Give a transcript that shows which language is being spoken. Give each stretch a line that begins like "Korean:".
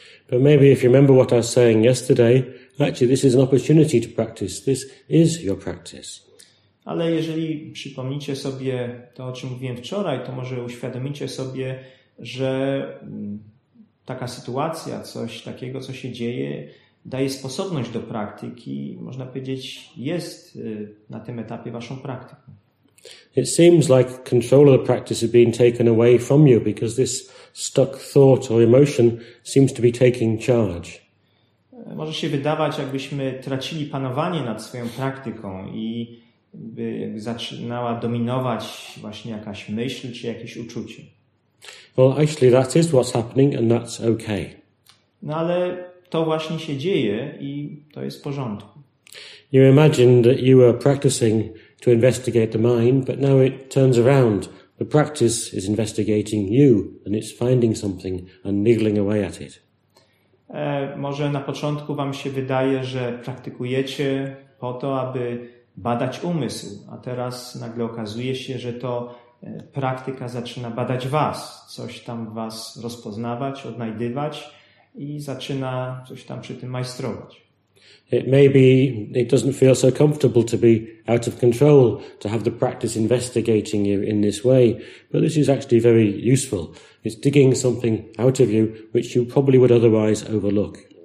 English: But maybe if you remember what I was saying yesterday, actually this is an opportunity to practice. This is your practice.
Polish: Ale jeżeli przypomnicie sobie to, o czym mówiłem wczoraj, to może uświadomicie sobie, że taka sytuacja, coś takiego, co się dzieje, daje sposobność do praktyki, można powiedzieć, jest na tym etapie waszą praktyką.
English: It seems like control of the practice is being taken away from you because this stuck thought or emotion seems to be taking charge.
Polish: Może się wydawać, jakbyśmy tracili panowanie nad swoją praktyką i by zaczynała dominować właśnie jakaś myśl czy jakieś uczucie.
English: Well, actually that is what's happening and that's okay.
Polish: No ale to właśnie się dzieje i to jest w porządku.
English: You imagine that you were practicing to investigate the mind, but now it turns around. The practice is investigating you and it's finding something and niggling away at it.
Polish: Może na początku wam się wydaje, że praktykujecie po to, aby badać umysł, a teraz nagle okazuje się, że to praktyka zaczyna badać was, coś tam was rozpoznawać, odnajdywać i zaczyna coś tam przy tym majstrować.
English: It may be it doesn't feel so comfortable to be out of control, to have the practice investigating you in this way, but this is actually very useful. It's digging something out of you which you probably would otherwise overlook.